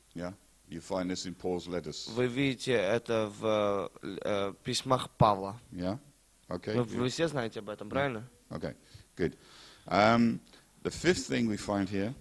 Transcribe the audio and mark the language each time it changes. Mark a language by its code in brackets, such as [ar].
[en] Yeah, you find this in Paul's letters. [ru] Вы видите это в письмах Павла. [en] Yeah, okay. [ru] Вы все знаете об этом, правильно? [en] Okay, good. The fifth thing we find here.